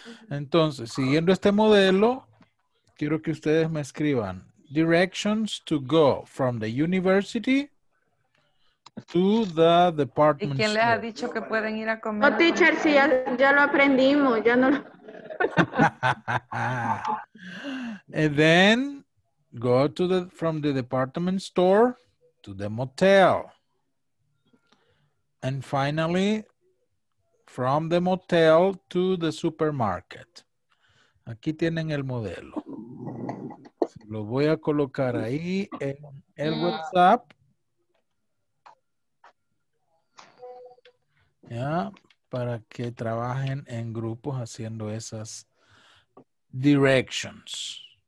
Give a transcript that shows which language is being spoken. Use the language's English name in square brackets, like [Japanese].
[Spanish] Entonces, siguiendo este modelo, quiero que ustedes me escriban. [English] Directions to go from the university to the department. [Spanish] ¿Y quién les ha dicho que pueden ir a comer? No, teacher, sí, ya lo aprendimos. Ya no lo... [English] And then go to the from the department store to the motel. And finally, from the motel to the supermarket. [Spanish] Aquí tienen el modelo. Lo voy a colocar ahí en el WhatsApp. Ya, para que trabajen en grupos haciendo esas directions.